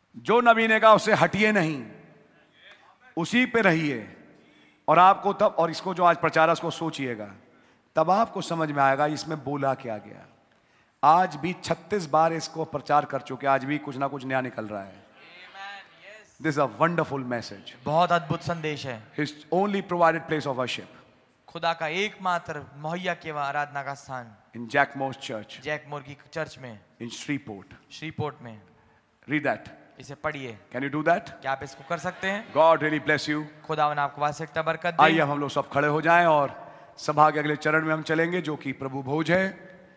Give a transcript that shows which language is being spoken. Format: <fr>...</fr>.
<hi>जो नबी ने कहा उसे हटिए नहीं, उसी पे रहिए। और आपको तब, और इसको जो आज प्रचार को सोचिएगा, तब आपको समझ में आएगा इसमें बोला क्या गया। आज भी 36 बार इसको प्रचार कर चुके, आज भी कुछ ना कुछ नया निकल रहा है।</hi> <en>this a wonderful message,</en> <hi>बहुत अद्भुत संदेश है।</hi> <en>His only provided place of worship.</en> <hi>खुदा का एकमात्र मुहैया केवा आराधना का स्थान</hi> <en>in Jack Morse church,</en> <hi>Jack Moore की चर्च में,</hi> <en>in Shreveport,</en> <hi>श्रीपोर्ट में।</hi> <en>read that,</en> <hi>इसे पढ़िए।</hi> <en>can you do that,</en> <hi>क्या आप इसको कर सकते हैं?</hi> <en>God really bless you,</en> <hi>खुदावन आपको वास्तविकता बरकत दे। आइए हम लोग सब खड़े हो जाएं और सभा के अगले चरण में हम चलेंगे जो कि प्रभु भोज है।</hi>